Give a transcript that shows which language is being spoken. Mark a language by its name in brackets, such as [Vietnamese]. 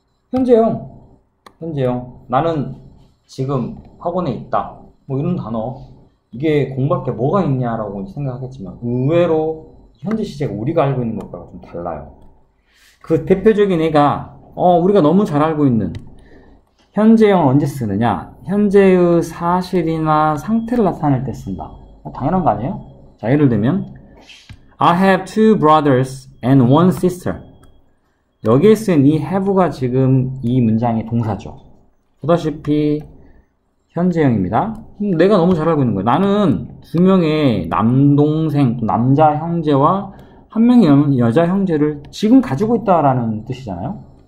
[Korean] 현재형, 현재형, 나는 지금 학원에 있다 뭐 이런 단어, 이게 공부할 게 뭐가 있냐라고 생각하겠지만, 의외로 현재 시제가 우리가 알고 있는 것과 좀 달라요. 그 대표적인 예가, 우리가 너무 잘 알고 있는 현재형 언제 쓰느냐? 현재의 사실이나 상태를 나타낼 때 쓴다. 당연한 거 아니에요? 자, 예를 들면, [English] I have two brothers and one sister. [Korean] 여기에 쓴이 have가 지금 이 문장의 동사죠. 보다시피 현재형입니다. 내가 너무 잘 알고 있는 거예요. 나는 두 명의 남동생, 남자 형제와 한 명의 여자 형제를 지금 가지고 있다라는 뜻이잖아요.